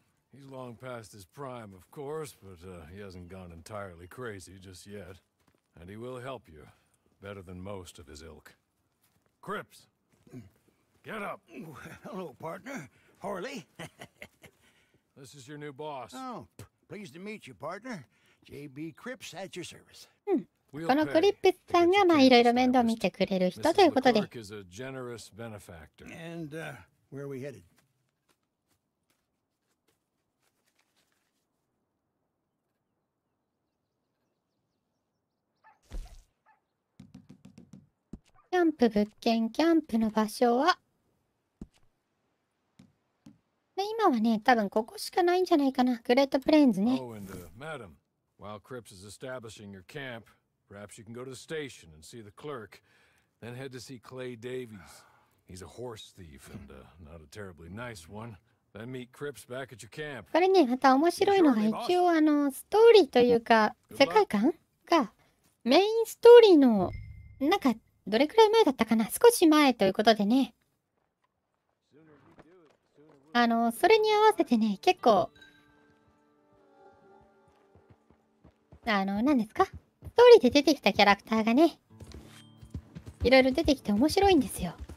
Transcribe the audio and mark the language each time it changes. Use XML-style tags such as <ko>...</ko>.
<en>He's long past his prime, of course, but he hasn't gone entirely crazy just yet. And he will help you better than most of his ilk. Crips, get up. Hello, partner. Horley. This is your new boss. Oh, pleased to meet you, partner. J.B. Crips at your service.</en> <ja>このクリップさんがまあいろいろ面倒見てくれる人ということで。</ja> <en>Mrs. LeClerc is a generous benefactor. And where are we headed?</en> <ja>キャンプ物件、キャンプの場所は、で今はね、多分ここしかないんじゃないかな。グレートプレーンズね。</ja> <en>Oh, and, madam, while Crips is establishing your camp, perhaps you can go to the station and see the clerk, then head to see Clay Davies. He's a horse thief and not a terribly nice one. Then meet Crips back at your camp.</en> <ja>これね、また面白いのが、一応あのストーリーというか、世界観がメインストーリーの、なんか、どれくらい前だったかな、少し前ということでね、あのそれに合わせてね、結構あの何ですか、ストーリーで出てきたキャラクターがね、いろいろ出てきて面白いんですよ。</ja>